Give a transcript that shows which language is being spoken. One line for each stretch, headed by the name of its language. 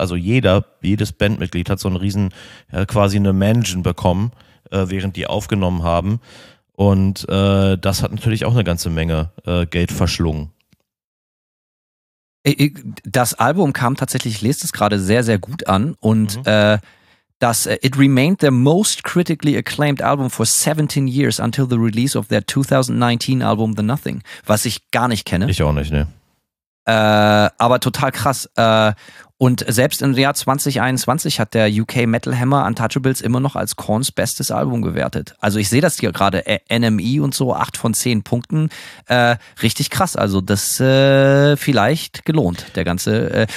German: Also jedes Bandmitglied hat so ein Riesen, ja, quasi eine Mansion bekommen, während die aufgenommen haben. Und das hat natürlich auch eine ganze Menge Geld verschlungen. Das Album kam tatsächlich, ich lese es gerade, sehr, sehr gut an.
English: Und It remained their most critically acclaimed album for 17 years until the release of their 2019 album The Nothing,
German: was ich gar nicht kenne. Ich auch nicht, ne. Aber total krass. Und selbst im Jahr 2021 hat der UK Metal Hammer Untouchables immer noch als Korns bestes Album gewertet. Also ich sehe das hier gerade, NME und so, 8 von 10 Punkten. Richtig krass, also das vielleicht gelohnt, der ganze.